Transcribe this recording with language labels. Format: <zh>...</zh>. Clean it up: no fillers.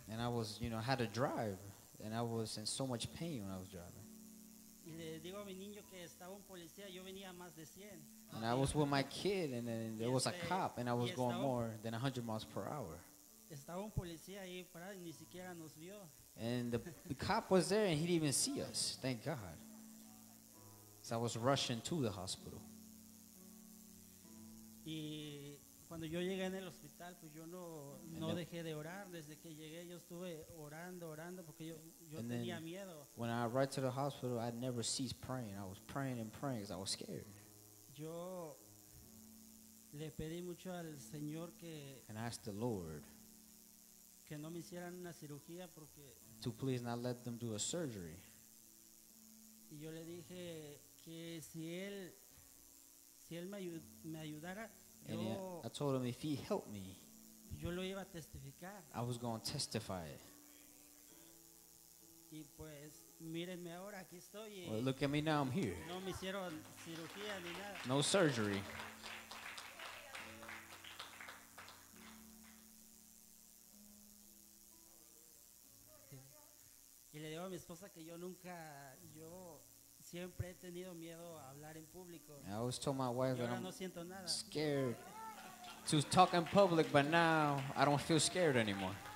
<en>And I was, you know, had to drive, and I was in so much pain when I was driving.</en> <es>Y le digo a mi niño que estaba un policía, yo venía más de 100.</es> <en>And I was with my kid, and then there was a cop, and I was going more than 100 miles per hour.</en> <es>Estaba un policía ahí parado y ni siquiera nos vio.</es> <en>And the cop was there, and he didn't even see us, thank God. So I was rushing to the hospital.</en> <es>Y cuando yo llegué en el hospital, pues yo no dejé de orar. Desde que llegué, yo estuve orando porque yo tenía miedo.</es> <en>When I arrived to the hospital, I never ceased praying. I was praying and praying because I was scared.</en> <es>Yo le pedí mucho al Señor que.</es> <en>And I asked the Lord.</en> <es>Que no me hicieran una cirugía porque.</es> <en>To please not let them do a surgery.</en> <es>Y yo le dije que si él me ayudara.</es> <en>And I told him if he helped me,</en> <es>yo lo iba a testificar.</es> <en>I was going to testify.</en> <es>Y pues, mírenme ahora, aquí estoy.</es> <en>Well, look at me now, I'm here.</en> <es>No me hicieron cirugía ni nada.</es> <en>No surgery.</en> <es>Y le digo a mi esposa que yo siempre he tenido miedo a hablar en público.</es> <en>I always told my wife that</en> <es>no siento nada.</es> <en>Scared to talk in public, but now I don't feel scared anymore.</en>